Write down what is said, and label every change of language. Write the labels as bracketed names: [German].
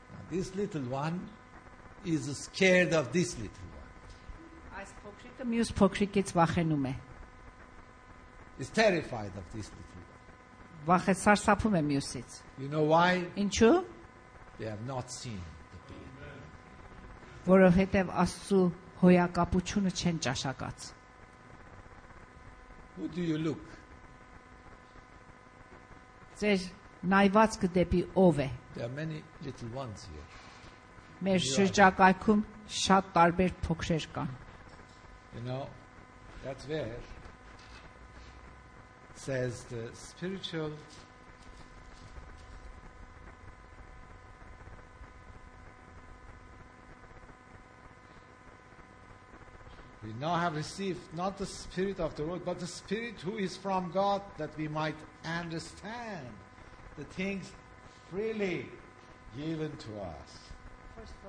[English] This little one is scared of this little one. [Armenian] Այս փոքրիկը մյուս փոքրիկից վախենում է։ [English] Is terrified of this little one. [Armenian] Վախը սարսափում է մյուսից։ [English] You know why? [Armenian] Ինչու՞։ [English] They have not seen the being. [Armenian] Որովհետև Աստու հոյակապությունը չեն ճաշակած։ [English] Who do you look? [Armenian] Ձեր նայվածքը դեպի ով է։ [English] There are many little ones here. [Armenian] Մեր շրջակայքում շատ տարբեր փոքրեր կան։ [English] You know, that's where says the spiritual we now have received not the spirit of the world, but the spirit who is from God, that we might understand the things freely given to us.